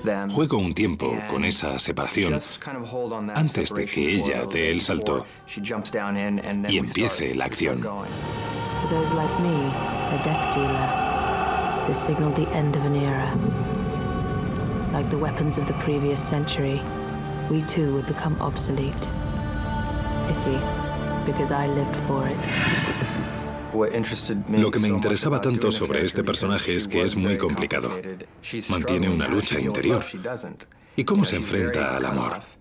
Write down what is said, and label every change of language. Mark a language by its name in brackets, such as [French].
[Spanish] Juego un tiempo con esa separación antes de que ella dé el salto y empiece la acción. [English] For those like me, a death dealer, this signaled the end of an era. Like the weapons of the previous century, we too would become obsolete. Pity, because I lived for it. [Spanish] Lo que me interesaba tanto sobre este personaje es que es muy complicado. Mantiene una lucha interior. ¿Y cómo se enfrenta al amor?